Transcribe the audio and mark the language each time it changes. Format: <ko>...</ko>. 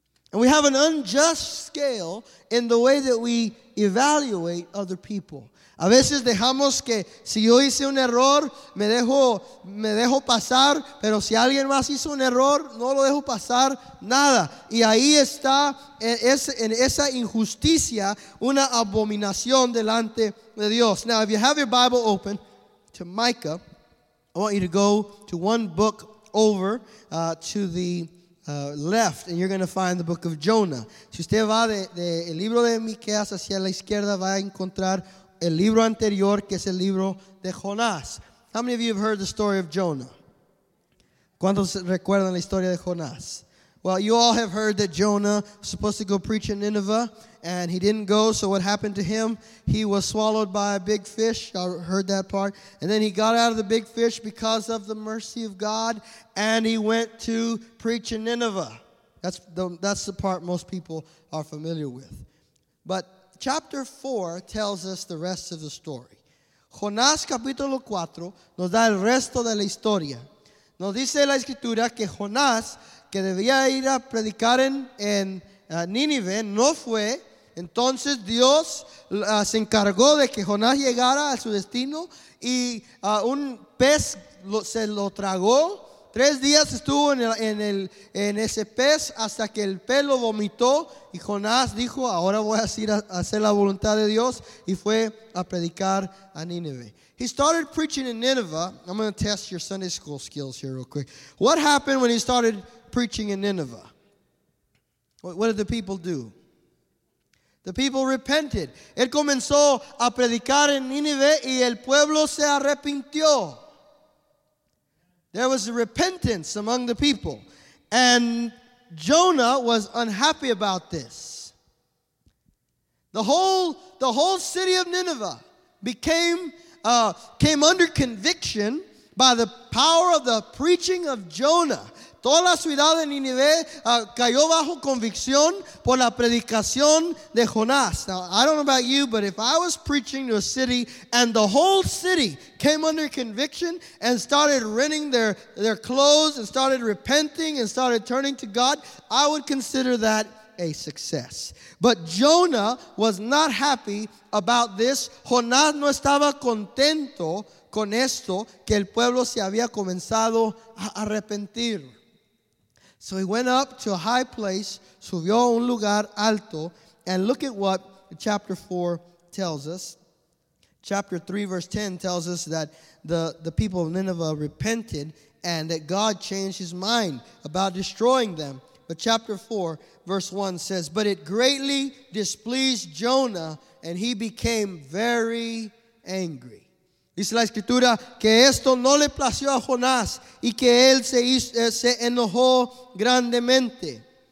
<en>And we have an unjust scale in the way that we evaluate other people.</en> <es>A veces dejamos que si yo hice un error, me dejo pasar, pero si alguien más hizo un error, no lo dejo pasar nada. Y ahí está en esa injusticia, una abominación delante de Dios.</es> <en>Now, if you have your Bible open to Micah, I want you to go to one book over to the left, and you're going to find the book of Jonah.</en> <es>Si usted va de el libro de Miqueas hacia la izquierda, va a encontrar el libro anterior, que es el libro de Jonás.</es> <en>How many of you have heard the story of Jonah?</en> <es>¿Cuántos recuerdan la historia de Jonás?</es> <en>Well, you all have heard that Jonah was supposed to go preach in Nineveh, and he didn't go, so what happened to him? He was swallowed by a big fish. I heard that part. And then he got out of the big fish because of the mercy of God, and he went to preach in Nineveh. That's the part most people are familiar with. But chapter 4 tells us the rest of the story.</en> <es>Jonás capítulo 4 nos da el resto de la historia. Nos dice la escritura que Jonás, que debía ir a predicar en Nínive, no fue. Entonces Dios se encargó de que Jonás llegara a su destino y un pez se lo tragó. 3 días estuvo en ese pez hasta que el pez lo vomitó y Jonás dijo, ahora voy a ir a hacer la voluntad de Dios y fue a predicar a Nínive.</es> <en>He started preaching in Nineveh. I'm going to test your Sunday school skills here real quick. What happened when he started preaching in Nineveh? What did the people do? The people repented.</en> <es>Él comenzó a predicar en Nínive y el pueblo se arrepintió.</es> <en>There was a repentance among the people. And Jonah was unhappy about this. The whole city of Nineveh came under conviction by the power of the preaching of Jonah.</en> <es>Toda la ciudad de Nínive cayó bajo convicción por la predicación de Jonás.</es> <en>Now, I don't know about you, but if I was preaching to a city and the whole city came under conviction and started rending their clothes and started repenting and started turning to God, I would consider that a success. But Jonah was not happy about this.</en> <es>Jonás no estaba contento con esto, que el pueblo se había comenzado a arrepentir.</es> <en>So he went up to a high place,</en> <es>subió a un lugar alto,</es> <en>and look at what chapter 4 tells us. Chapter 3, verse 10 tells us that the people of Nineveh repented and that God changed his mind about destroying them. But chapter 4, verse 1 says, but it greatly displeased Jonah, and he became very angry.</en> <es>Dice la escritura que esto no le plació a Jonás y que él se enojó grandemente.</es>